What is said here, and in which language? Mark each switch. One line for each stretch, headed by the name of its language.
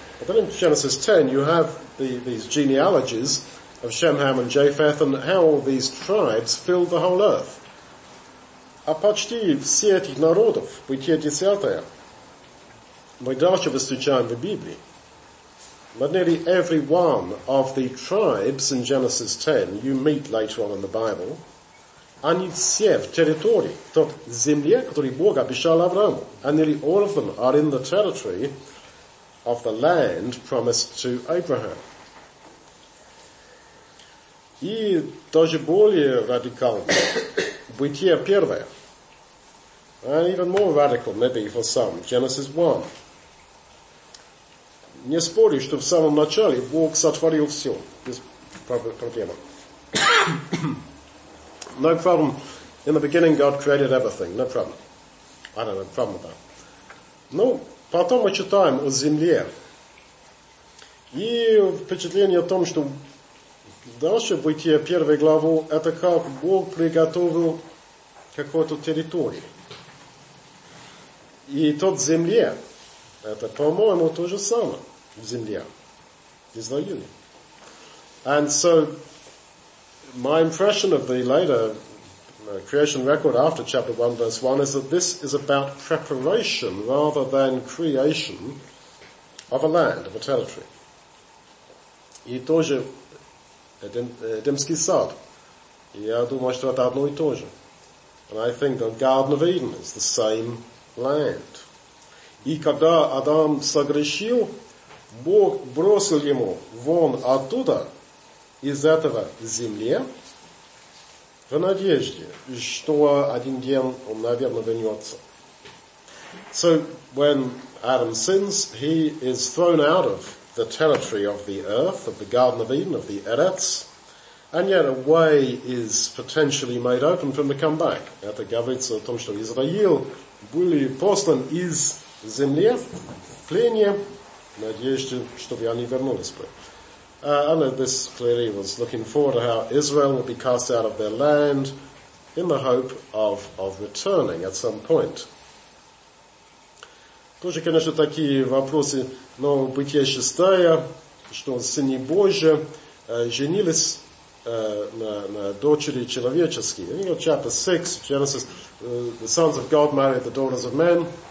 English: But then in Genesis 10, you have these genealogies of Shem, Ham, and Japheth, and how all these tribes filled the whole earth.
Russian: А почти все этих народов, Бытие 10, мы дальше встречаем в Библии.
English: But nearly every one of the tribes in Genesis 10 you meet later on in the Bible.
Russian: Они все в территории, тот земле, который Бог обещал Аврааму.
English: And nearly all of them are in the territory of the land promised to Abraham.
Russian: И даже более радикально, Бытие первое.
English: And even more radical, maybe for some, Genesis 1.
Russian: Не спорю, что в самом начале Бог сотворил все. Без проблем.
English: No problem. In the beginning God created everything. No problem. I don't have a problem with that.
Russian: Ну, потом мы читаем о земле. И впечатление о том, что дальше в Бытие первую главу, это как Бог приготовил какую-то территорию. И тот земле, это, по-моему, то же самое. В земле. Израиль.
English: And so, my impression of the later creation record after chapter 1 verse 1 is that this is about preparation rather than creation of a land, of a territory.
Russian: И тоже Эдемский сад. Я думаю, что это одно и то же.
English: And I think the Garden of Eden is the same land.
Russian: И когда Адам согрешил, Бог бросил ему вон оттуда, из этого земли, в надежде, что один день он, наверное, вернется.
English: So, when Adam sins, he is thrown out of the territory of the earth, of the Garden of Eden, of the Eretz, and yet a way is potentially made open for him to come back.
Russian: Это говорится о том, что Израил был послан из земли, в пление, надеюсь, чтобы они вернулись бы.
English: And this clearly was looking forward to how Israel would be cast out of their land in the hope of returning at some point.
Russian: Тоже, конечно, такие вопросы, но Бытие 6, что сыны Божьи женились на дочери человеческие.
English: You know, chapter 6, Genesis, the sons of God married the daughters of men.